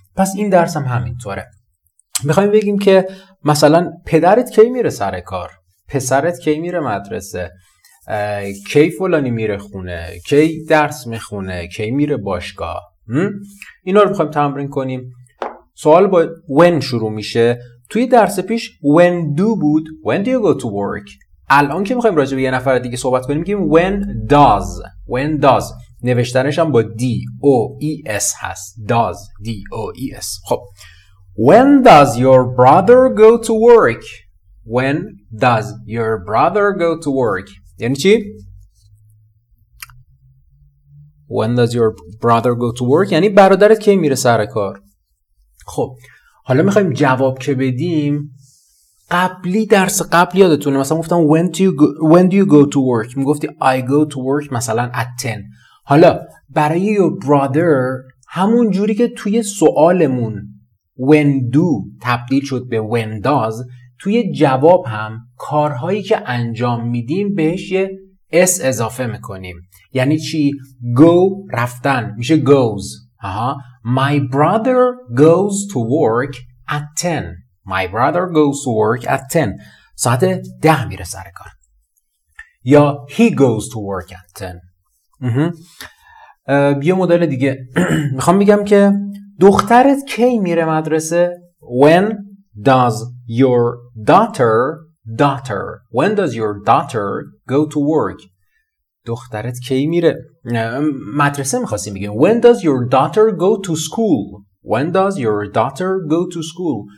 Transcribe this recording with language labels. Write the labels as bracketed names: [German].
[Persian] پس این درس هم همینطوره. میخواییم بگیم که مثلا پدرت کی میره سر کار، پسرت کی میره مدرسه، کی فلانی میره خونه، کی درس میخونه، کی میره باشگاه. اینا رو میخواییم تمرین کنیم. سوال با when شروع میشه. توی درس پیش [English] when do [Persian] بود، [English] when do you go to work. [Persian] الان که میخواییم راجع به یه نفر دیگه صحبت کنیم میگیم [English] when does. when does [Persian] نوشتنش هم با D-O-E-S هست. [English] Does. D-O-E-S. خب. When does your brother go to work? When does your brother go to work? [Persian] یعنی چی؟ [English] When does your brother go to work؟ [Persian] یعنی برادرت کی میره سر کار؟ خب. حالا میخواییم جواب که بدیم. قبلی درس قبل یادتونه. مثلا گفتم [English] When do you go to work؟ [Persian] میگفتی [English] I go to work مثلا at 10. [Persian] حالا برای your brother همون جوری که توی سوالمون [English] when do [Persian] تبدیل شد به [English] when does، [Persian] توی جواب هم کارهایی که انجام میدیم بهش یه s اضافه میکنیم. یعنی چی؟ go رفتن میشه goes. [English] My brother goes to work at 10. My brother goes to work at 10. [Persian] ساعت 10 میره سر کار. [English] یا he goes to work at 10. [Persian] یه مدل دیگه میخوام بگم که دخترت کی میره مدرسه. [English] When does your daughter when does your daughter go to work. [Persian] دخترت کی میره مدرسه. میخواستیم بگیم [English] When does your daughter go to school. When does your daughter go to school.